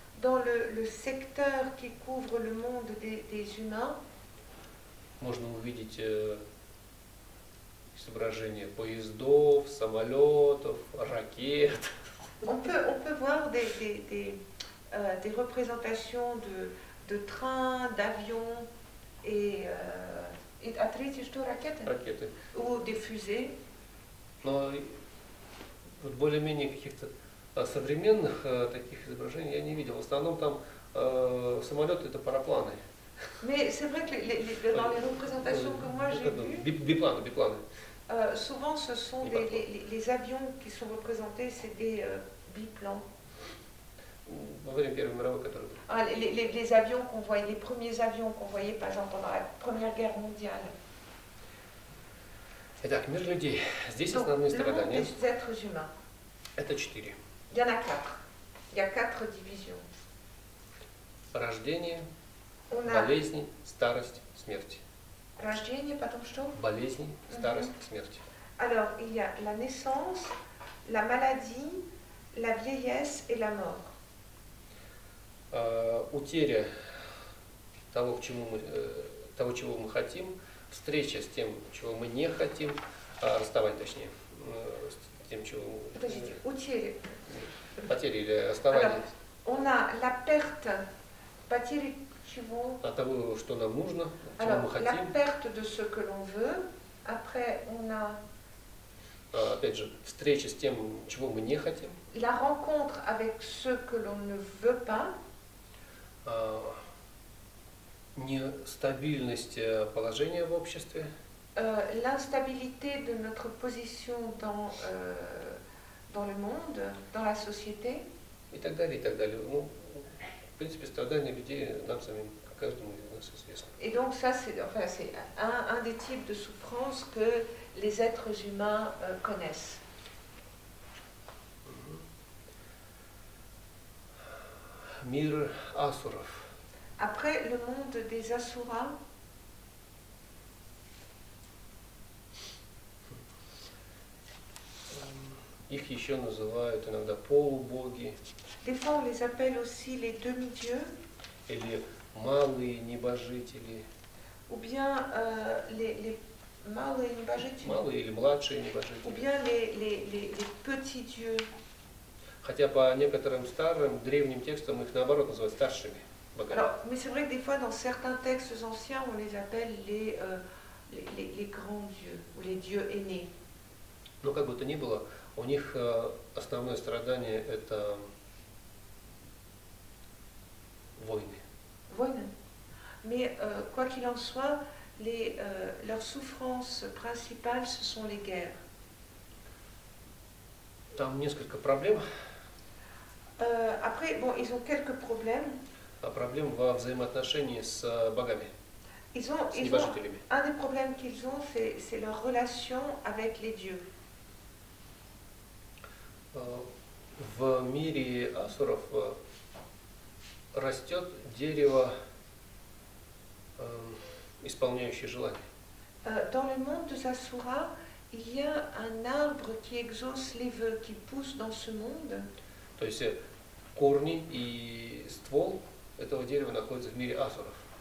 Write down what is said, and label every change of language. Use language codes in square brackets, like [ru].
[fr] dans le secteur qui couvre le monde des humains, [ru] можно увидеть изображение поездов, самолетов, ракет. [fr] On peut voir des représentations de trains, d'avions et atterrissage de [ru] ракеты [fr] ou des fusées. [ru] Но вот более-менее каких-то современных таких изображений я не видел. В основном там самолеты это парапланы. [fr] Mais c'est vrai que dans les représentations que moi j'ai vues, [ru] бипланы. [fr] Souvent ce sont les avions qui sont représentés, c'est des biplans. [ru] Во время Первой мировой, которые. [fr] Les avions qu'on voyait, les premiers avions qu'on voyait, par exemple pendant la Première Guerre mondiale. [ru] Итак, мир людей. Здесь основные страдания. [fr] Donc, le monde des êtres humains. [ru] Это четыре. [fr] Il y en a quatre. Il y a quatre divisions. [ru] Рождение. Болезни, старость, смерть. Рождение, потом что? Болезни, старость, mm-hmm. смерть. [fr] Alors, il y a la naissance, la maladie, la vieillesse et la mort. [ru] Утеря того, к чему мы, того, чего мы хотим, встреча с тем, чего мы не хотим, расставание, точнее, с тем, чего... Подождите, утеря. Потеря или расставание. [fr] On a la perte, [ru] потери... Чего? От того, что нам нужно, чего [fr] Alors, [ru] мы хотим. [fr] La perte de ce que l'on veut. Après, on a... [ru] опять же, встреча с тем, чего мы не хотим. [fr] La rencontre avec ce que l'on ne veut pas. [ru] Нестабильность положения в обществе. [fr] L'instabilité de notre position dans, dans le monde, dans la société. [ru] И так далее, и так далее. Ну, в принципе, страдания людей нам самим, каждому из нас известно. [fr] И donc ça c'est enfin c'est un des types de souffrances que les êtres humains connaissent. [ru] Мир асуров. [fr] Après le monde des asuras. [ru] Их еще называют иногда полубоги. [fr] Des fois, on les appelle aussi les demi-dieux. [ru] Или малые небожители. [fr] Ou bien les [ru] малые небожители. Малые или младшие небожители. [fr] Ou bien les petits dieux. [ru] Хотя по некоторым старым древним текстам их наоборот называют старшими богами. [fr] Alors, mais c'est vrai que des fois, dans certains textes anciens, on les appelle les grands dieux ou les dieux aînés. [ru] Но как бы то ни было, у них основное страдание это войны. Войны. [fr] Mais quoi qu'il en soit, les leurs souffrances principales ce sont les guerres. [ru] Там несколько проблем. [fr] Après, bon, ils ont quelques problèmes. [ru] А проблем во взаимоотношении с богами. [fr] Ils ont, [ru] с небожителями. [fr] Ils ont, un des problèmes qu'ils ont, c'est leur relation avec les dieux. [ru] В мире асуров растет дерево, исполняющее желание. [fr] Dans le monde des asuras, il y a un arbre qui exauce les vœux, qui pousse dans ce monde. [ru] То есть корни и ствол этого дерева находятся в мире асуров.